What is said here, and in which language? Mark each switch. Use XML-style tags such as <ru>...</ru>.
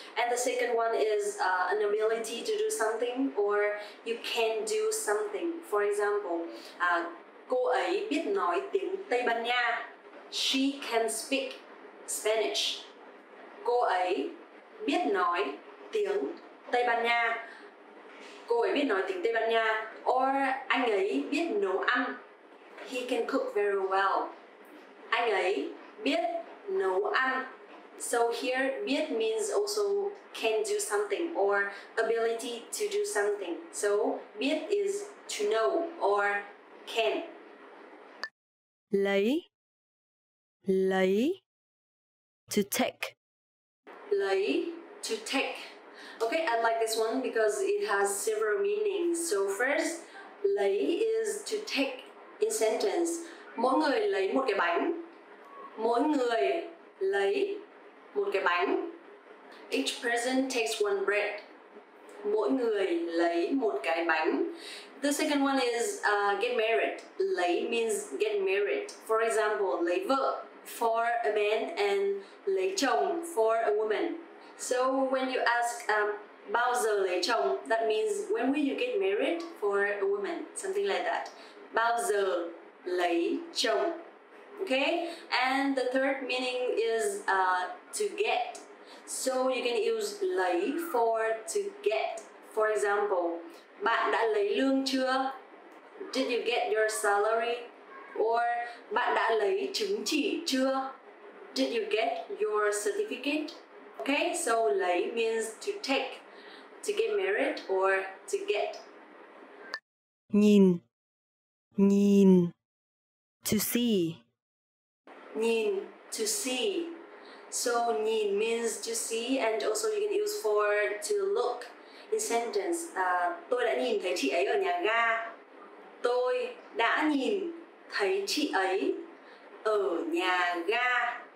<en>And the second one is an ability to do something or you can do something. For example,</en> <vi>cô ấy biết nói tiếng Tây Ban Nha.</vi> <en>She can speak Spanish.</en> <vi>Cô ấy biết nói tiếng Tây Ban Nha. Cô ấy biết nói tiếng Tây Ban Nha.</vi> <en>Or</en> <vi>anh ấy biết nấu ăn.</vi> <en>He can cook very well.</en> <vi>Anh ấy biết nấu ăn.</vi> <en>So here, biết means also can do something or ability to do something. So biết is to know or can. Lấy, to take. Lấy, to take. Okay, I like this one because it has several meanings. So first, lấy is to take in sentence.</en> <vi>Mỗi người lấy một cái bánh. Mỗi người lấy một cái bánh.</vi> <en>Each person takes one bread.</en> <vi>Mỗi người lấy một cái bánh.</vi> <en>The second one is get married. Lấy means get married. For example, lấy vợ for a man and lấy chồng for a woman. So when you ask</en> <vi>bao giờ lấy chồng,</vi> <en>that means when will you get married for a woman, something like that.</en> <vi>Bao giờ lấy chồng.</vi> <en>Okay, and the third meaning is to get. So you can use lấy for to get. For example,</en> <vi>bạn đã lấy lương chưa?</vi> <en>Did you get your salary? Or</en> <vi>bạn đã lấy chứng chỉ chưa?</vi> <en>Did you get your certificate? Okay, so lấy means to take, to get married or to get. Nhìn, to see. Nhìn, to see. So nhìn means to see and also you can use for to look in sentence.</en> <vi>Tôi đã nhìn thấy chị ấy ở nhà ga. Tôi đã nhìn thấy chị ấy ở nhà ga.</vi>